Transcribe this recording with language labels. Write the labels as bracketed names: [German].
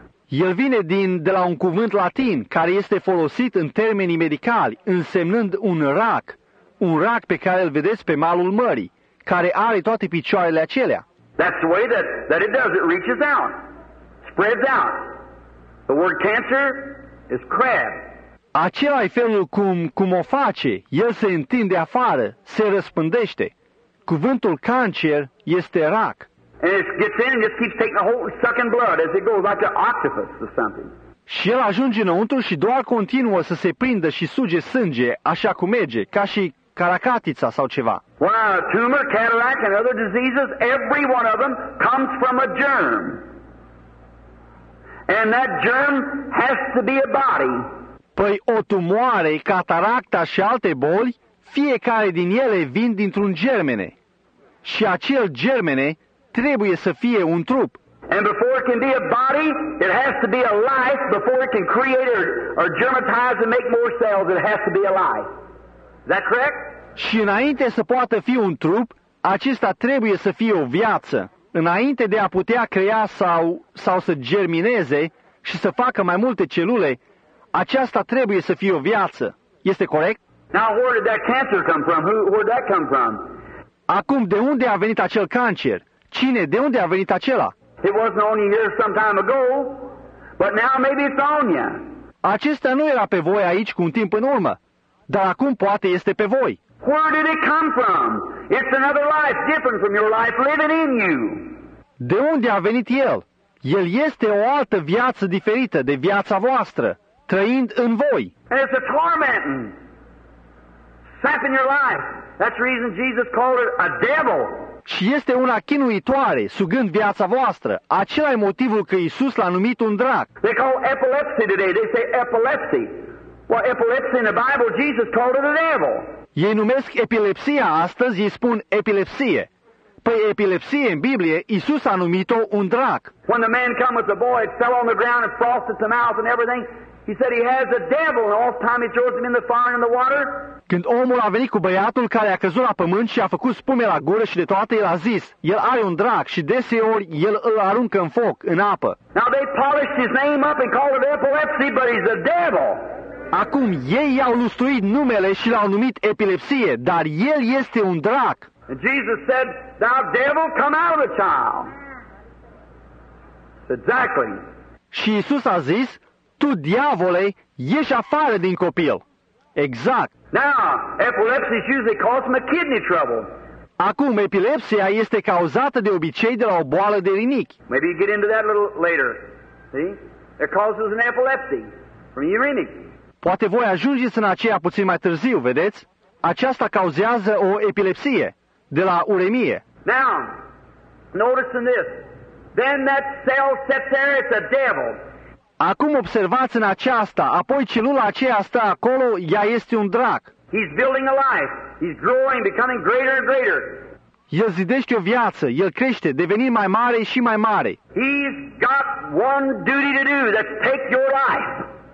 [Romanian] El vine de la un cuvânt latin care este folosit în termenii medicali, însemnând un rac. Un rac pe care îl vedeți pe malul mării, care are toate picioarele acelea. [English] That's the way that it does. It reaches out, spreads out. The word cancer is crab. [Romanian] Acela e felul cum o face. El se întinde afară, se răspândește. Cuvântul cancer este rac. [English] And it gets in and just keeps taking a hold and sucking blood as it goes, like an octopus or something. [Romanian] Și el ajunge înăuntru și doar continuă să se prindă și suge sânge, așa cum merge, ca și caracatița sau ceva. [English] Well, tumor, cataract and other diseases, every one of them comes from a germ. And that germ has to be a body. [Romanian] Păi o tumoare, cataracta și alte boli, fiecare din ele vin dintr-un germene. Și acel germene trebuie să fie un trup. [English] And before it can be a body, it has to be a life. Before it can create or germatize and make more cells, it has to be alive. Is that correct? [Romanian] Și înainte să poată fi un trup, acesta trebuie să fie o viață. Înainte de a putea crea sau să germineze și să facă mai multe celule, aceasta trebuie să fie o viață. Este corect? [English] Now, where did that cancer come from? Where did that come from? [Romanian] Acum, de unde a venit acel cancer? Cine, de unde a venit acela? [English] It wasn't on you here some time ago, but now maybe it's on you. [Romanian] Acesta nu era pe voi aici cu un timp în urmă, dar acum poate este pe voi. [English] Where did it come from? It's another life, different from your life, living in you. [Romanian] De unde a venit el? El este o altă viață diferită de viața voastră, trăind în voi. [English] And it's a tormenting, sapping your life. That's the reason Jesus called it a devil. [Romanian] Și este una chinuitoare, sugând viața voastră. Acela e motivul că Iisus l-a numit un drac. [English] They call epilepsy today. They say epilepsy. Well, epilepsy in the Bible, Jesus called it a devil. [Romanian] Ei numesc epilepsia astăzi, îi spun epilepsie. Păi epilepsie în Biblie, Iisus a numit-o un drac. [English] When the man came with the boy, it fell on the ground and frosted the mouth and everything. He said he has a devil, and all the time he throws him in the fire and in the water. [Romanian] Când omul a venit cu băiatul care a căzut la pământ și a făcut spume la gură și de toate, el a zis, el are un drac și deseori el îl aruncă în foc, în apă. [English] Now they polished his name up and called it epilepsy, but he's a devil. [Romanian] Acum ei i-au lustruit numele și l-au numit epilepsie, dar el este un drac. [English] And Jesus said, thou devil, come out of the child. Exactly. [Romanian] Și Iisus a zis, tu diavole, ieși afară din copil. Exact. [English] Now, epilepsy is usually caused from a kidney trouble. [Romanian] Acum, epilepsia este cauzată de obicei de la o boală de rinichi. [English] Maybe you get into that a little later. See? It causes an epilepsy from your [Romanian] rinichi. Poate voi ajungeți în aceea puțin mai târziu, vedeți? Aceasta cauzează o epilepsie de la uremie. [English] Now, notice in this. Then that cell sits there, it's a devil. [Romanian] Acum observați în aceasta, apoi celula aceea stă acolo, ea este un drac. [English] He's building a life. He's growing, becoming greater and greater. [Romanian] El zidește o viață, el crește, devenind mai mare și mai mare. [English] He's got one duty to do, that's take your life.